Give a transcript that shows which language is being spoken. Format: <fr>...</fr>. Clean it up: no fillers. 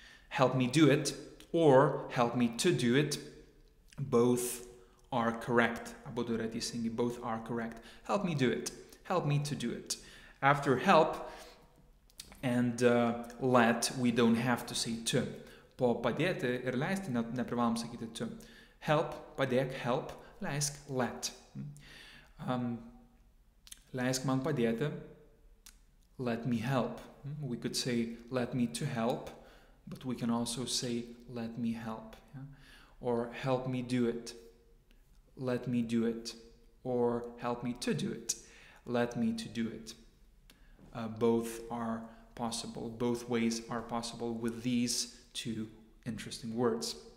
<en>Help me do it or help me to do it. Both are correct. Abu yra teisingi, both are correct. Help me do it. Help me to do it. After help and let, we don't have to say to.</en> <lt>Po padėti ir leisti, neprivalom sakyti to. Help, padėk, help, leisk, let. Leisk man padėti, let me help.</lt> <en>We could say, let me to help, but we can also say, let me help. Yeah? Or help me do it, let me do it. Or help me to do it, let me to do it. Both are possible, both ways are possible with these two interesting words.</en>